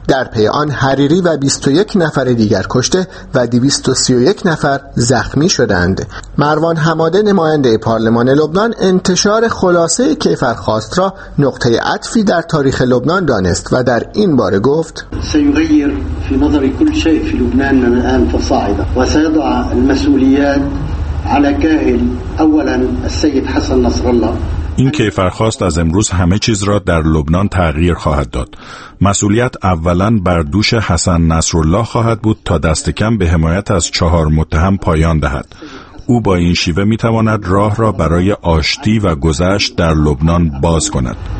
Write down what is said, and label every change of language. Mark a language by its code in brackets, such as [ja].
[fa] در پی آن حریری و 21 نفر دیگر کشته و 231 نفر زخمی شدند. مروان حماده نماینده پارلمان لبنان انتشار خلاصه کیفرخواست را نقطه عطفی در تاریخ لبنان دانست و در این باره گفت: [ar] سيغير في نظر كل شيء في لبنان من الان فصاعدا وسيضع المسؤوليات على كاهل اولا السيد حسن نصر الله. [fa] این کیفرخواست از امروز همه چیز را در لبنان تغییر خواهد داد. مسئولیت اولاً بر دوش حسن نصرالله خواهد بود تا دست کم به حمایت از 4 متهم پایان دهد. او با این شیوه می تواند راه را برای آشتی و گذشت در لبنان باز کند.